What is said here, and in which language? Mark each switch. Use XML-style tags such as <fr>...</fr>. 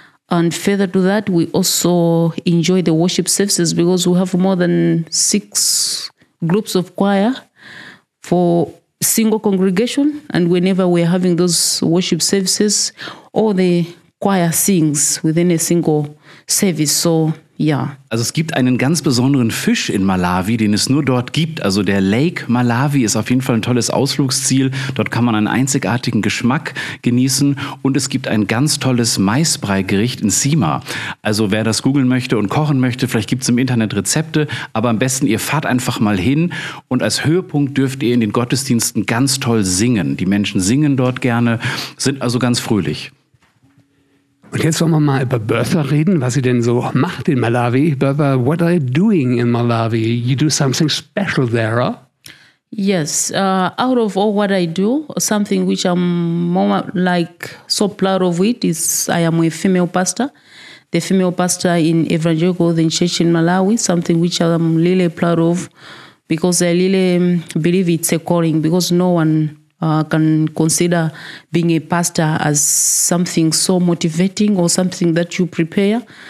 <en>And further to that, we also enjoy the worship services because we have more than 6 groups of choir for single congregation. And whenever we're having those worship services, all the choir sings within a single service. So, yeah.</en> <de>Also es gibt einen ganz besonderen Fisch in Malawi, den es nur dort gibt. Also der Lake Malawi ist auf jeden Fall ein tolles Ausflugsziel. Dort kann man einen einzigartigen Geschmack genießen. Und es gibt ein ganz tolles Maisbrei-Gericht in Sima. Also wer das googeln möchte und kochen möchte, vielleicht gibt es im Internet Rezepte. Aber am besten, ihr fahrt einfach mal hin. Und als Höhepunkt dürft ihr in den Gottesdiensten ganz toll singen. Die Menschen singen dort gerne, sind also ganz fröhlich. Und jetzt wollen wir mal über Bertha reden, was sie denn so macht in Malawi.</de> <en>Bertha, what are you doing in Malawi? You do something special there, huh? Yes, out of all what I do, something which I'm more like so proud of it is I am a female pastor, the female pastor in Evangelical Golden Church in Malawi, something which I'm really proud of because I really believe it's a calling because no one can consider being a pastor as something so motivating or something that you prepare.</en>